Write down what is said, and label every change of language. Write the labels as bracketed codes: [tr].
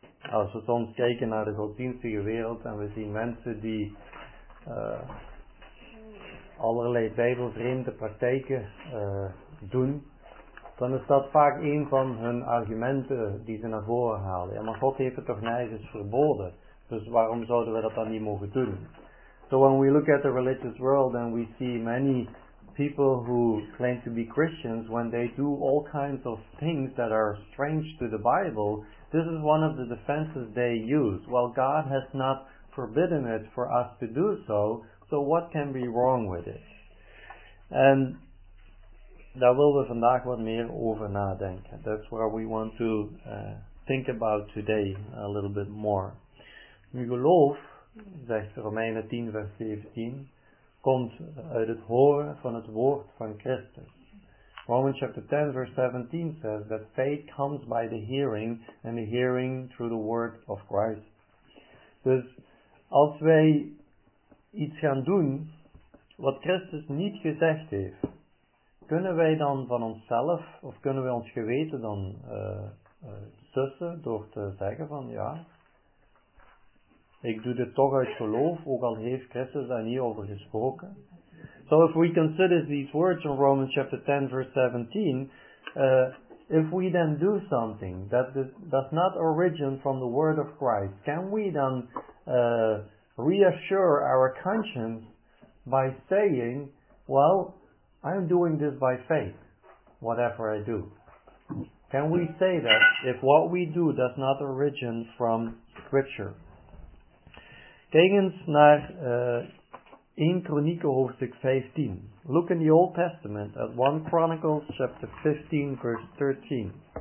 [nl] Als we soms kijken naar de godsdienstige wereld en we zien mensen die allerlei bijbelvreemde praktijken doen, dan is dat vaak een van hun argumenten die ze naar voren halen. Ja, maar God heeft het toch nergens verboden? Dus waarom zouden we dat dan niet mogen doen? [en] So when we look at the religious world and we see many people who claim to be Christians, when they do all kinds of things that are strange to the Bible, this is one of the defenses they use. Well, God has not forbidden it for us to do so, so what can be wrong with it? [nl] And daar willen we vandaag wat meer over nadenken. [en] That's what we want to think about today a little bit more. [nl] Nu geloof, zegt Romeinen 10 vers 17, komt uit het horen van het woord van Christus. [en] Romans chapter 10 verse 17 says that faith comes by the hearing and the hearing through the word of Christ. [nl] Dus als wij iets gaan doen wat Christus niet gezegd heeft, kunnen wij dan van onszelf, of kunnen wij ons geweten dan sussen door te zeggen van, ja, ik doe dit toch uit geloof, ook al heeft Christus daar niet over gesproken. [en] So if we consider these words in Romans chapter 10 verse 17, if we then do something that does not origin from the word of Christ, can we then reassure our conscience by saying, well, I'm doing this by faith, whatever I do. Can we say that if what we do does not origin from Scripture? [nl] Kijk eens naar 1 Kronieken hoofdstuk 15. [en] Look in the Old Testament at 1 Chronicles chapter 15 verse 13.